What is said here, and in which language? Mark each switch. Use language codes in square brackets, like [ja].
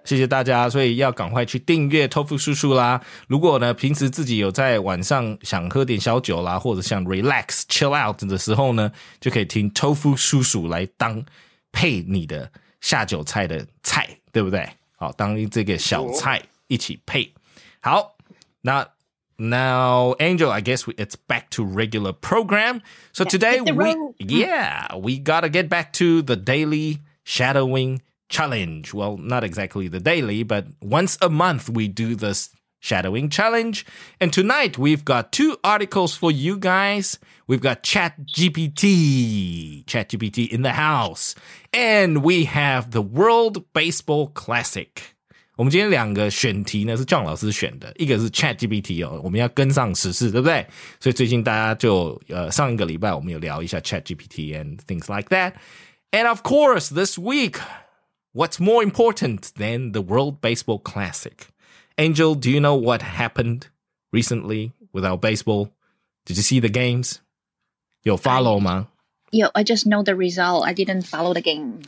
[zh] 谢谢大家，所以要赶快去订阅豆腐叔叔啦。如果呢平时自己有在晚上想喝点小酒啦，或者想 [en] relax chill out [zh] 的时候呢，就可以听豆腐叔叔来当配你的下酒菜的菜，对不对？好，当这个小菜一起配。 [en] 好，那 now Angel， I guess it's back to regular program. So today we gotta get back to the daily shadowing challenge. Well, not exactly the daily, but once a month we do this shadowing challenge. And tonight we've got two articles for you guys. We've got ChatGPT in the house. And we have the World Baseball Classic. [zh] 我们今天两个选题呢是 John 老师选的，一个是 ChatGPT 哦，我们要跟上时事，对不对？所以最近大家就上一个礼拜我们有聊一下 ChatGPT [en] and things like that. And of course, this week, what's more important than the World Baseball Classic? Angel, do you know what happened recently with our baseball? Did you see the games? You follow ma? Yeah, I just know the result. I didn't follow the game.